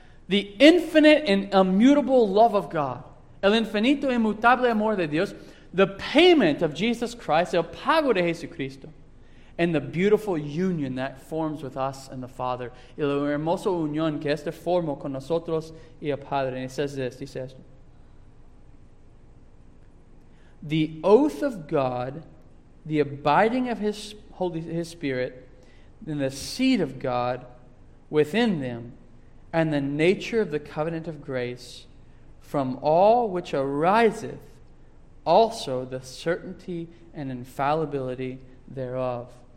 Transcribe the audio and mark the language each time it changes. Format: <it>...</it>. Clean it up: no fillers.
<en>The infinite and immutable love of God.</en> <es>El infinito y mutable amor de Dios.</es> <en>The payment of Jesus Christ.</en> <es>El pago de Jesucristo.</es> <en>And the beautiful union that forms with us and the Father.</en> <es>Y la hermosa unión que este formó con nosotros y el Padre.</es> <en>And he says this, he says, the oath of God, the abiding of his Holy his Spirit, and the seed of God within them, and the nature of the covenant of grace, from all which ariseth also the certainty and infallibility thereof.</en>